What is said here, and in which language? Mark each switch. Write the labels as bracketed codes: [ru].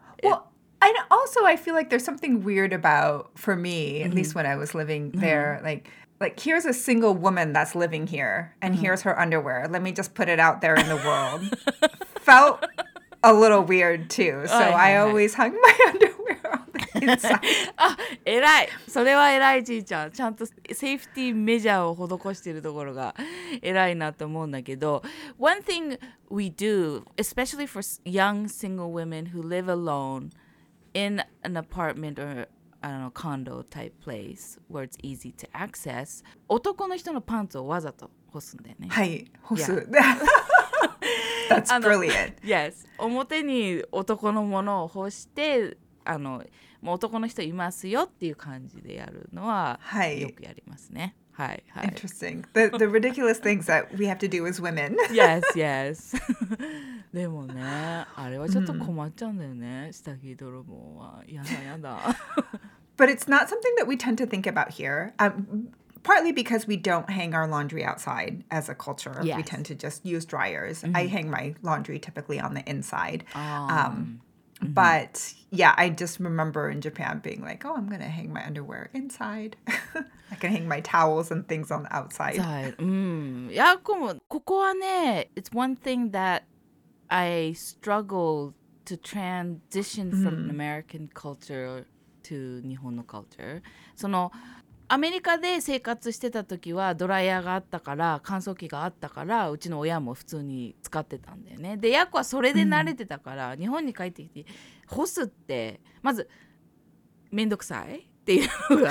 [en] Well, and also I feel like there's something weird about, for me, mm-hmm. at least when I was living there, mm-hmm. like here's a single woman that's living here and mm-hmm. here's her underwear. Let me just put it out there in the world. Felt a little weird too. So I always hung my underwear on the inside. [ja] あ、偉い。それは偉い、じいちゃん。ちゃんとセーフティーメジャーを施しているところが偉いなと思うんだけど。 [en] One thing we do, especially for young single women who live alone in an apartment or I don't know, condo type place where it's easy to access, [ja] 男の人のパンツをわざと干すんだよね。はい、干す。 [en] Yeah. That's brilliant. Yes. [ja] 表に男のものを干して、あの、もう男の人いますよっていう感じでやるのは、はい、よくやりますね。はいはい。 [en] Interesting. The ridiculous things that we have to do as women. Yes, yes. [ja] でもね、あれはちょっと困っちゃうんだよね。下着泥棒は。やだやだ。 [en] But it's not something that we tend to think about here. Partly because we don't hang our laundry outside as a culture. Yes. We tend to just use dryers. Mm-hmm. I hang my laundry typically on the inside. Mm-hmm. But yeah, I just remember in Japan being like, oh, I'm going to hang my underwear inside. I can hang my towels and things on the outside. It's one thing that I struggle to transition from mm-hmm. American culture to [ja] 日本の [en] culture. [ja] アメリカで生活してた時はドライヤーがあったから乾燥機があったからうちの親も普通に使ってたんだよね。でヤコはそれで慣れてたから、うん、日本に帰ってきて干すってまずめんどくさいっていうのが、